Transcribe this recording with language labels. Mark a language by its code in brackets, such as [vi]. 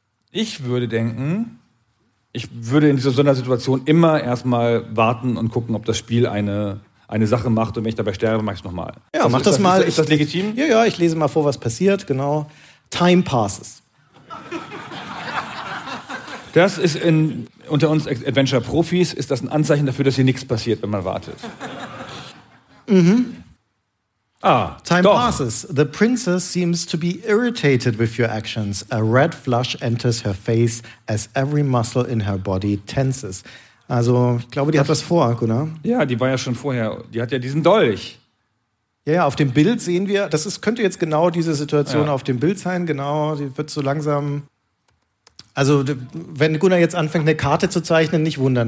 [de] Ich würde denken, ich würde in dieser Sondersituation immer erstmal warten und gucken, ob das Spiel eine Sache macht und wenn ich dabei sterbe, mach ich es nochmal. Ja, also mach das mal. Ist das legitim? Ja, ich lese mal vor, was passiert, genau. [en] Time passes. [de] Das ist unter uns Adventure-Profis, ist das ein Anzeichen dafür, dass hier nichts passiert, wenn man wartet. Mhm. Ah, [en] time [de] doch. [en] Passes. The princess seems to be irritated with your actions. A red flush enters her face as every muscle in her body tenses. [de] Also, ich glaube, die hat was vor, Gunnar. Ja, die war ja schon vorher, die hat ja diesen Dolch. Ja, auf dem Bild sehen wir, könnte jetzt genau diese Situation auf dem Bild sein, genau, die wird so langsam... Also, wenn Gunnar jetzt anfängt, eine Karte zu zeichnen, nicht wundern.